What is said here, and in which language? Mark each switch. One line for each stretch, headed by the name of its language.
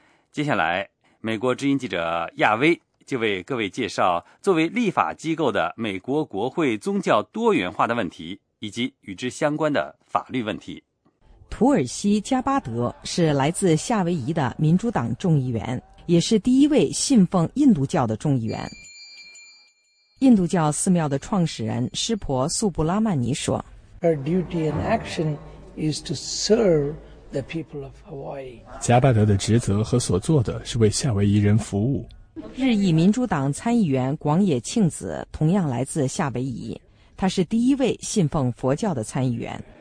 Chinese: 接下来，美国之音记者亚威就为各位介绍作为立法机构的美国国会宗教多元化的问题，以及与之相关的法律问题。土耳其加巴德是来自夏威夷的民主党众议员，也是第一位信奉印度教的众议员。印度教寺庙的创始人湿婆素布拉曼尼说，
English: Our duty and action is to serve the people of Hawaii.
Chinese: 加巴德的职责和所做的是为夏威夷人服务。日裔民主党参议员广野庆子同样来自夏威夷，他是第一位信奉佛教的参议员。